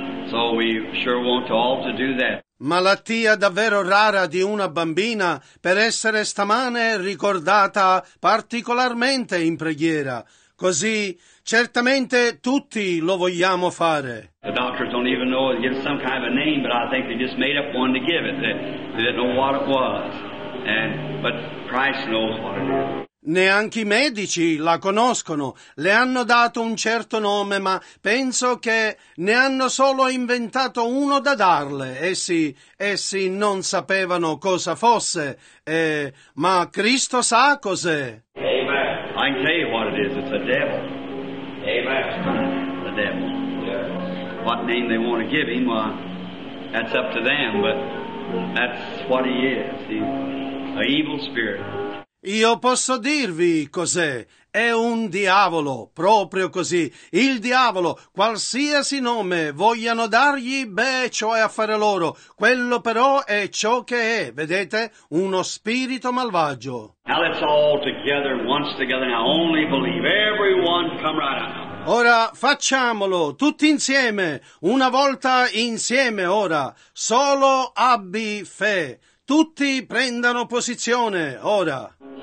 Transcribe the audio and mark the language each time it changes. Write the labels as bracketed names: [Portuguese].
[English] So we sure want all to do that. [Italian] Malattia davvero rara di una bambina per essere stamane ricordata particolarmente in preghiera. Così certamente tutti lo vogliamo fare. [English] The doctors don't even know it gives some kind of a name, but I think they just made up one to give it. They didn't know what it was. But Christ knows what it is. [Italian] Neanche i medici la conoscono, le hanno dato un certo nome, ma penso che ne hanno solo inventato uno da darle. Essi non sapevano cosa fosse, ma Cristo sa cos'è. [English] Amen. I can tell you what it is, it's a devil. Amen. The devil. Yeah. What name they want to give him, well, that's up to them, but that's what he is. He's an evil spirit. [Italian] Io posso dirvi cos'è, è un diavolo, proprio così, il diavolo, qualsiasi nome vogliano dargli, beh, ciò è affare loro, quello però è ciò che è, vedete, uno spirito malvagio. [English] Now let's all together, once together, now only believe, everyone come right out. [Italian] Ora facciamolo, tutti insieme, una volta insieme ora, solo abbi fe, tutti prendano posizione, ora.